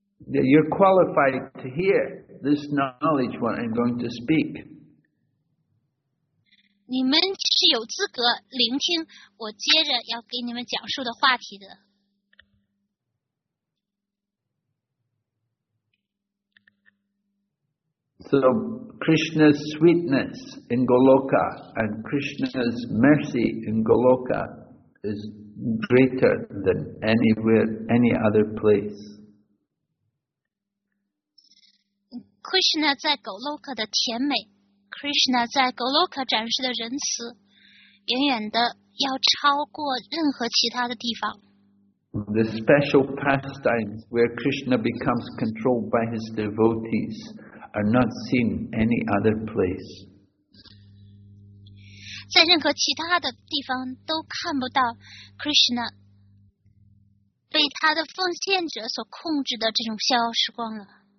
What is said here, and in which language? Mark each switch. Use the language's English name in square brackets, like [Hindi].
[English] You're qualified to hear this knowledge what I'm going to speak. [Chinese] 你们是有资格聆听我接着要给你们讲述的话题的。 [English] So Krishna's sweetness in Goloka and Krishna's mercy in Goloka is greater than anywhere, any other place. [Chinese] Krishna 在 Goloka 的甜美， Krishna 在 Goloka 展示的仁慈，远远的要超过任何其他的地方。 [English] The special pastimes where Krishna becomes controlled by his devotees. Are not seen any other place. [Chinese] 在任何其他的地方都看不到 Krishna 被他的奉献者所控制的这种逍遥时光了。